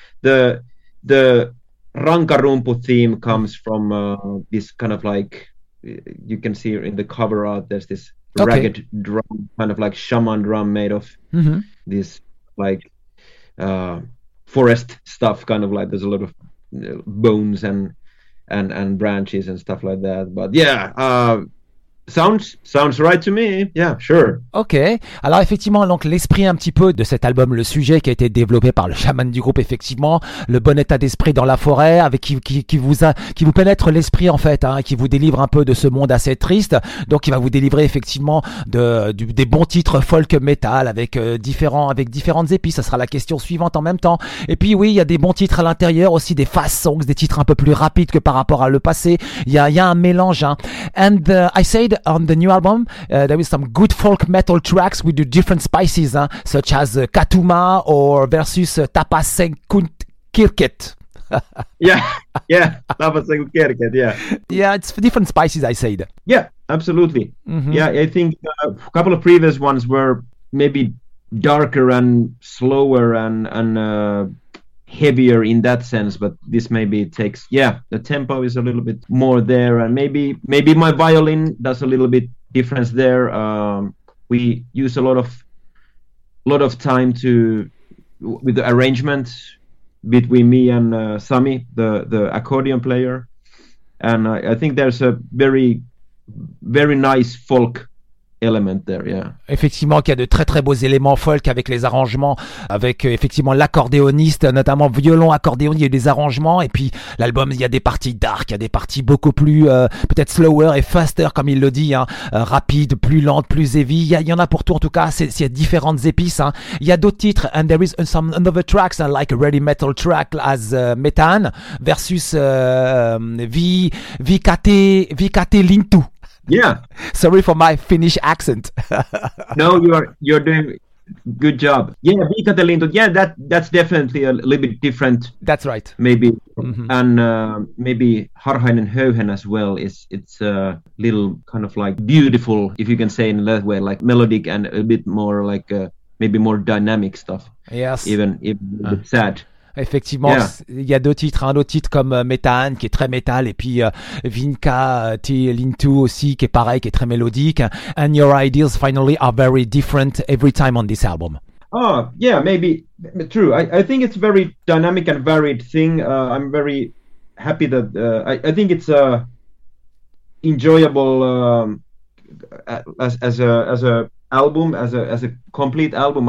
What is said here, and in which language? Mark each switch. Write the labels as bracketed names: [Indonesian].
[English] The Rankarumpu theme comes from this kind of like, you can see in the cover art, there's this ragged drum, kind of like shaman drum made of this like forest stuff, kind of like there's a lot of bones and branches and stuff like that. But yeah, sounds right to me. Yeah, sure. Okay. [French] Alors effectivement, donc l'esprit un petit peu de cet album, le sujet qui a été développé par le chaman du groupe, effectivement, le bon état d'esprit dans la forêt, avec qui vous pénètre l'esprit en fait, hein, qui vous délivre un peu de ce monde assez triste. Donc il va vous délivrer effectivement des bons titres folk metal avec différentes épices. Ça sera la question suivante en même temps. Et puis oui, il y a des bons titres à l'intérieur aussi, des fast songs, des titres un peu plus rapides que par rapport à le passé. Il y a un mélange. Hein. [English] And I say on the new album, there is some good folk metal tracks with the different spices, huh? Such as Katuma or versus Tapas Sekund Kirket. yeah, Tapas Sekund Kirket, yeah. Yeah, it's different spices, I said. Yeah, absolutely. Mm-hmm. Yeah, I think a couple of previous ones were maybe darker and slower and heavier in that sense, but this maybe takes, yeah, the tempo is a little bit more there, and maybe my violin does a little bit difference there. We use a lot of time to with the arrangement between me and Sami, the accordion player, and I think there's a very very nice folk element there, yeah. [French] Effectivement, qu'il y a de très très beaux éléments folk avec les arrangements, avec effectivement l'accordéoniste, notamment violon, accordéon, il y a des arrangements, et puis l'album, il y a des parties dark, il y a des parties beaucoup plus, peut-être slower et faster, comme il le dit, hein, rapide, plus lente, plus heavy, il y en a pour tout en tout cas, c'est différentes épices, hein. Il y a d'autres titres, [English] and there is some another tracks, like a ready metal track as Methane versus Vikate Lintu. Yeah. Sorry for my Finnish accent. No, you're doing good job. Yeah, Vikate Lintu. Yeah, that's definitely a little bit different. That's right. Maybe and maybe Harhainen Höyhen as well it's a little kind of like beautiful, if you can say in that way, like melodic and a bit more like maybe more dynamic stuff. Yes. Even sad. [French] Effectivement, il y a deux titres, un autre titre comme Methane qui est très métal, et puis Vinka Lintu aussi qui est pareil, qui est très mélodique. [English] And your ideas finally are very different every time on this album. Oh yeah, maybe true. I think it's a very dynamic and varied thing. I'm very happy that I think it's enjoyable as a album, as a complete album.